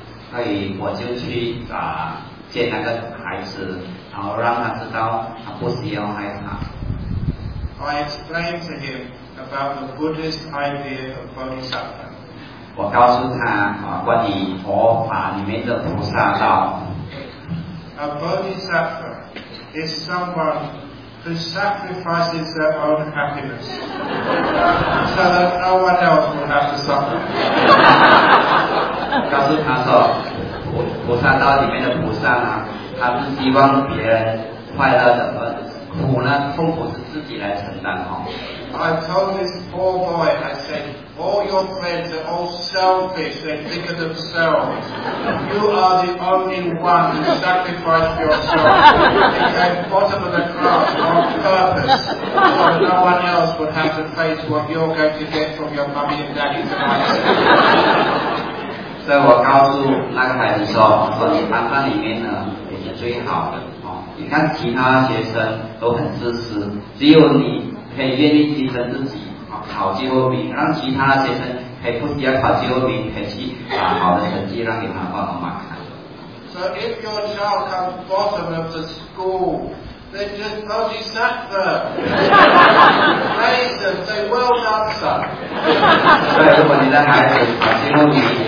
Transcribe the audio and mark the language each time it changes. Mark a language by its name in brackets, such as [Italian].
[Chinese] 所以我就去啊见那个孩子，然后让他知道他不需要害怕。 [English] I explained to him about the Buddhist idea of bodhisattva. [Chinese] 我告诉他啊，关于佛法里面的菩萨道。 [English] A bodhisattva is someone who sacrifices their own happiness so that no one else will have to suffer. [Chinese] 告诉他说，菩萨道里面的菩萨呢，他是希望别人快乐的，苦呢，痛苦是自己来承担哦。 [English] I told this poor boy, I said, all your friends are all selfish, they think of themselves. You are the only one who sacrificed yourself. You came bottom of the class on purpose, so no one else would have to face what you're going to get from your mummy and daddy tonight. [Chinese] 所以我告诉那个孩子说，我说你班上里面呢，你是最好的哦。你看其他学生都很自私，只有你可以愿意牺牲自己啊，考最后名，让其他学生可以不需要考最后名，可以去把好的成绩让给他爸爸妈妈看。 [English] So if your child comes bottom of the school, then just bodhisattva, praise them, say well done, son. [Chinese] 所以如果你的孩子考最后名，